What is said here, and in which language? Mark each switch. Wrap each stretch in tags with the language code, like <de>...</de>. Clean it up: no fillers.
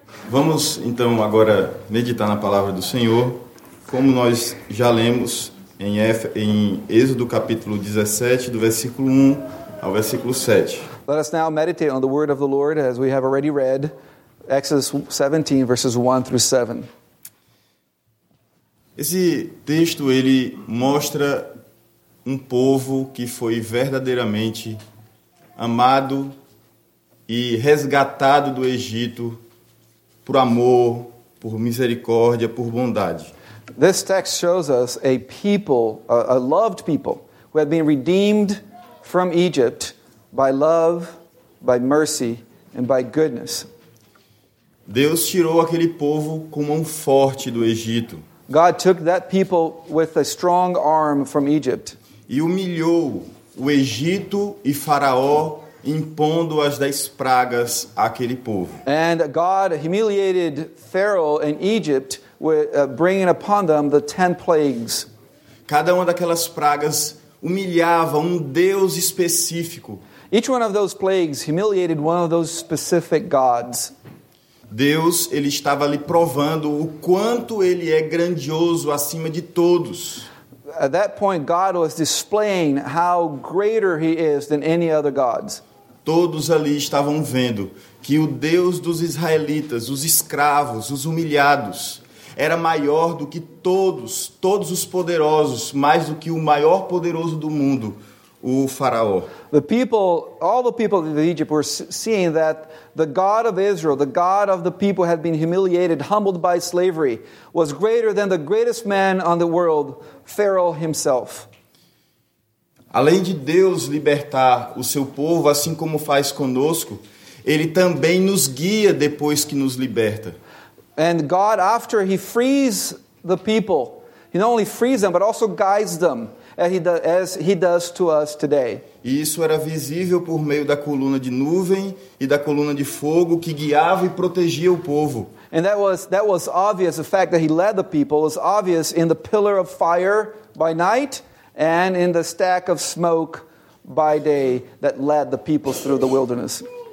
<pt>Vamos então agora meditar na palavra do Senhor, como nós já lemos em Êxodo capítulo 17, do versículo 1 ao versículo 7.</pt> <en>Let us now meditate on the word of the Lord as we have already read. Exodus 17, verses 1 through 7.</en> <pt>Esse texto, ele mostra um povo que foi verdadeiramente amado e resgatado do Egito por amor, por misericórdia, por bondade.</pt> <en>This text shows us a people, a loved people, who had been redeemed from Egypt by love, by mercy, and by goodness.</en> <pt>Deus tirou aquele povo com mão forte do Egito.</pt> <en>God took that people with a strong arm from Egypt.</en> <pt>E humilhou o Egito e Faraó, impondo as 10 pragas àquele povo.</pt> <en>And God humiliated Pharaoh and Egypt, bringing upon them the 10 plagues.</en> <pt>Cada uma daquelas pragas humilhava um deus específico.</pt> <en>Each one of those plagues humiliated one of those specific gods.</en> <pt>Deus, ele estava ali provando o quanto ele é grandioso acima de todos.</pt> <en>At that point, God was displaying how greater he is than any other gods.</en> <pt>Todos ali estavam vendo que o Deus dos israelitas, os escravos, os humilhados, era maior do que todos os poderosos, mais do que o maior poderoso do mundo, o faraó.</pt> <en>The people, all the people of Egypt were seeing that the God of Israel, the God of the people had been humiliated, humbled by slavery, was greater than the greatest man on the world, Pharaoh himself.</en> <pt>Além de Deus libertar o seu povo, assim como faz conosco, ele também nos guia depois que nos liberta.</pt> <en>And God, after he frees the people, he not only frees them, but also guides them, as he does to us today.</en> <pt>E isso era visível por meio da coluna de nuvem e da coluna de fogo que guiava e protegia o povo.</pt> <en>And that was obvious, the fact that he led the people was obvious in the pillar of fire by night and in the stack of smoke by day that led the people through the wilderness.</en>